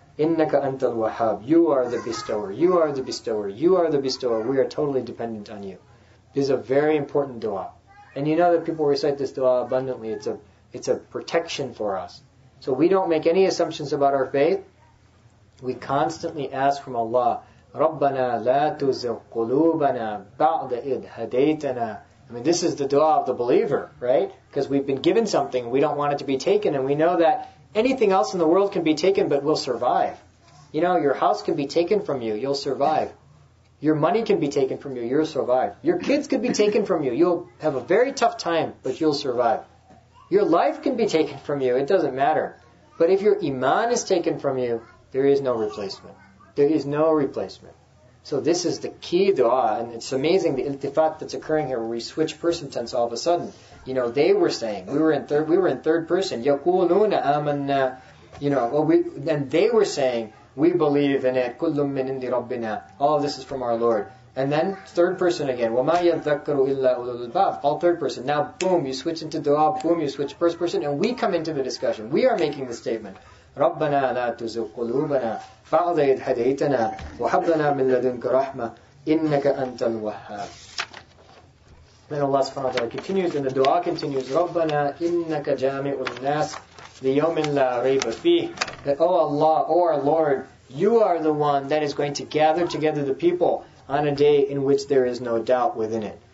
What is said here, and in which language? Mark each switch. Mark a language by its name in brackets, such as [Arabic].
[Arabic] إِنَّكَ أَنْتَ الْوَهَابُ. [English] You are the bestower. You are the bestower. You are the bestower. We are totally dependent on you. This is a very important dua. And you know that people recite this dua abundantly. It's a protection for us. So we don't make any assumptions about our faith. We constantly ask from Allah, [Arabic] رَبَّنَا لَا تُزِغْ قُلُوبَنَا بَعْدَ إِذْ هَدَيْتَنَا. [English] I mean, this is the dua of the believer, right? Because we've been given something, we don't want it to be taken, and we know that anything else in the world can be taken, but we'll survive. You know, your house can be taken from you, you'll survive. Your money can be taken from you, you'll survive. Your kids could be taken from you, you'll have a very tough time, but you'll survive. Your life can be taken from you, it doesn't matter. But if your iman is taken from you, there is no replacement. There is no replacement. So this is the key dua, and it's amazing the iltifat that's occurring here where we switch person tense all of a sudden. You know, they were saying, we were in third person, [Arabic] يَقُولُونَ آمَنَّا. [English] You know, and they were saying, we believe in it, [Arabic] كُلُّم مِّنْ عِنْدِ رَبِّنَا. [English] All of this is from our Lord. And then third person again, [Arabic] وَمَا يَذَّكَّرُ إِلَّا أُولُو الْأَلْبَابِ. [English] All third person. Now boom, you switch into dua, boom, you switch first person, and we come into the discussion. We are making the statement. [Arabic] ربنا لا تزغ قلوبنا بعد إذ هديتنا وهب لنا من لدنك رحمة إنك أنت الوهاب. [English] Then Allah subhanahu wa ta'ala continues, and the dua continues, [Arabic] رَبَّنَا إِنَّكَ جَامِعُ النَّاسِ لِيَوْمٍ لَا رَيْبَ فِيهِ. [English] That, O Allah, O our Lord, You are the one that is going to gather together the people on a day in which there is no doubt within it.